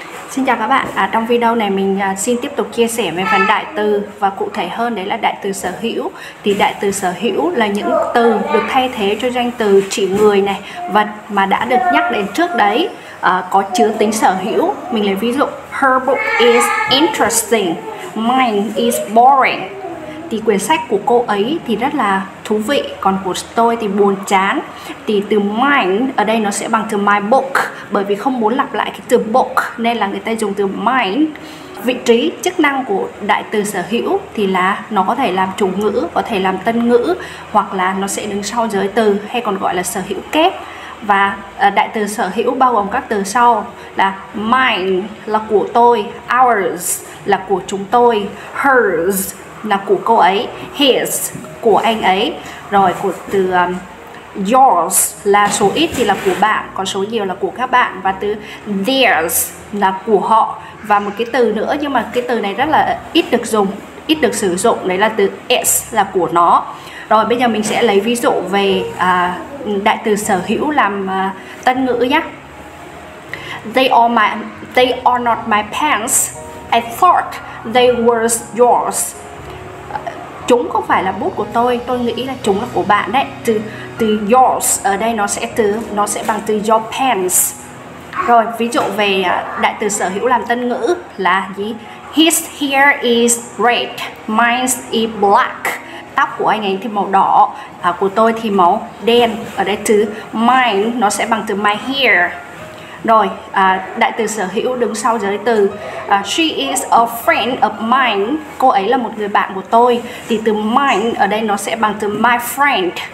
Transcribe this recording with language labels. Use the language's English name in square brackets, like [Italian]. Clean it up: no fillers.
[Vietnamese] Xin chào các bạn, trong video này mình xin tiếp tục chia sẻ về phần đại từ và cụ thể hơn đấy là đại từ sở hữu. Thì đại từ sở hữu là những từ được thay thế cho danh từ chỉ người này, vật mà đã được nhắc đến trước đấy có chứa tính sở hữu. Mình lấy ví dụ: [English] Her book is interesting, mine is boring. [Vietnamese] Thì quyển sách của cô ấy thì rất là thú vị, còn của tôi thì buồn chán. Thì từ mine ở đây nó sẽ bằng từ my book, bởi vì không muốn lặp lại cái từ book nên là người ta dùng từ mine. Vị trí, chức năng của đại từ sở hữu thì là nó có thể làm chủ ngữ, có thể làm tân ngữ, hoặc là nó sẽ đứng sau giới từ hay còn gọi là sở hữu kép. Và đại từ sở hữu bao gồm các từ sau là mine là của tôi, ours là của chúng tôi, hers là của cô ấy, his của anh ấy, rồi của từ yours là số ít thì là của bạn, còn số nhiều là của các bạn, và từ theirs là của họ, và một cái từ nữa nhưng mà cái từ này rất là ít được sử dụng đấy là từ its là của nó. Rồi bây giờ mình sẽ lấy ví dụ về đại từ sở hữu làm tân ngữ nhé. [English] They are not my pants. I thought they were yours. [Vietnamese] Chúng không phải là bút của tôi nghĩ là chúng là của bạn đấy. Từ yours ở đây nó sẽ bằng từ your pants. Rồi ví dụ về đại từ sở hữu làm tân ngữ là gì? [English] His hair is red, mine is black. [Vietnamese] Tóc của anh ấy thì màu đỏ, của tôi thì màu đen. Ở đây từ mine nó sẽ bằng từ my hair. Rồi đại từ sở hữu đứng sau giới từ, [English] she is a friend of mine, [Vietnamese] cô ấy là một người bạn của tôi, thì từ mine ở đây nó sẽ bằng từ my friend.